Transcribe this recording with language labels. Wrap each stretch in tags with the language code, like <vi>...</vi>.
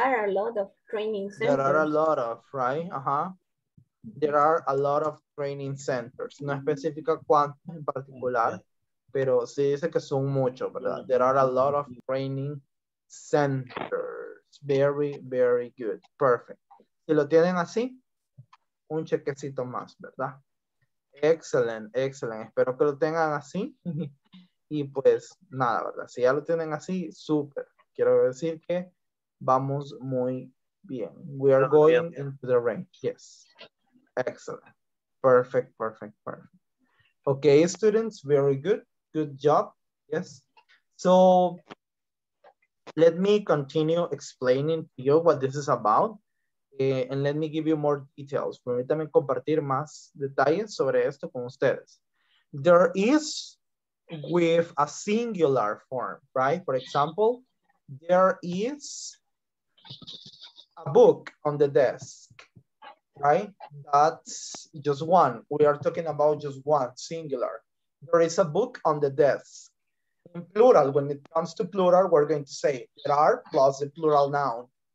<en>There are a lot of training centers, right? Uh-huh. There are a lot of training centers.</en> <es>No especifica cuántos en particular, pero sí dice que son muchos, ¿verdad?</es> <en>There are a lot of training centers. Very, very good. Perfect.</en> <es>Si lo tienen así, un chequecito más, ¿verdad?</es> <en>Excellent, excellent.</en> <es>Espero que lo tengan así. Y pues, nada, ¿verdad? Si ya lo tienen así, súper. Quiero decir que vamos muy bien.</es> <en>We are going</en> <es>bien, bien.</es> <en>Into the range. Yes. Excellent. Perfect, perfect, perfect. Okay, students, very good. Good job. Yes. So, let me continue explaining to you what this is about. And let me give you more details.</en> <es>Permítame compartir más detalles sobre esto con ustedes.</es> <en>There is with a singular form, right? For example, there is a book on the desk, right? That's just one. We are talking about just one, singular. There is a book on the desk. In plural, when it comes to plural, we're going to say there are plus the plural noun.</en>